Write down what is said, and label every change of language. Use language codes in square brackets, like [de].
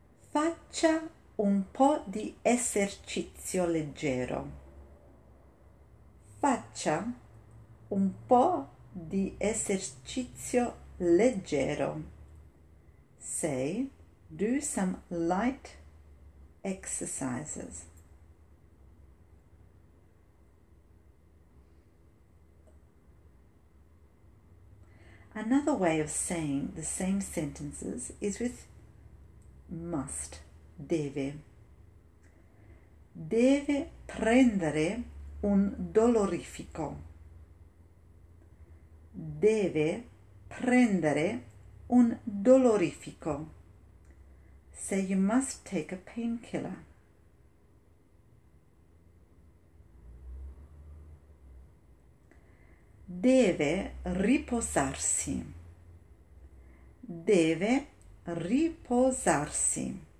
[it] Faccia un po' di esercizio leggero. Faccia un po' di esercizio leggero. [en] Say, do some light exercises. Another way of saying the same sentences is with must, deve. [it] Deve prendere un dolorifico. Deve prendere un dolorifico. [en] Say, you must take a painkiller. [it] Deve riposarsi. Deve riposarsi.